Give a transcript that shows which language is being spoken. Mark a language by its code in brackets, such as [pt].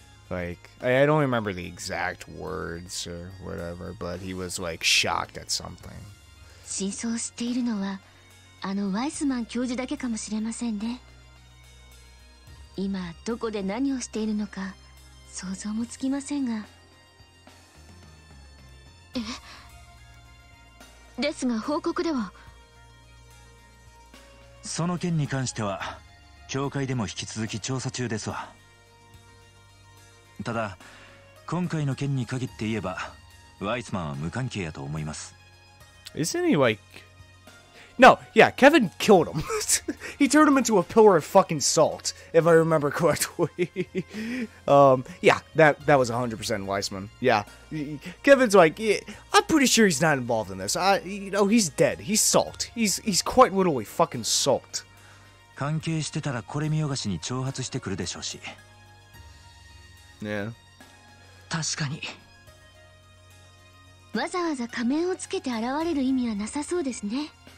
[en] Like, I don't remember the exact words or whatever, but he was like shocked at something. [ja] 真相を知っているのは、あのワイスマン教授だけかもしれませんね。今どこで何をしているのか想像もつきませんが。ですが報告では、その件に関しては教会でも引き続き調査中ですわ。ただ今回の件に限って言えばワイスマンは無関係やと思います。 [en] Isn't he like No, yeah, Kevin killed him. He turned him into a pillar of fucking salt, if I remember correctly. yeah, that was 100% Weissman. Yeah, Kevin's like, yeah, I'm pretty sure he's not involved in this. He's dead. He's salt. He's quite literally fucking salt. [ja] 関係してたらこれ見よがしに挑発してくるでしょうし。ね。確かに。わざわざ仮面をつけて現れる意味はなさそうですね。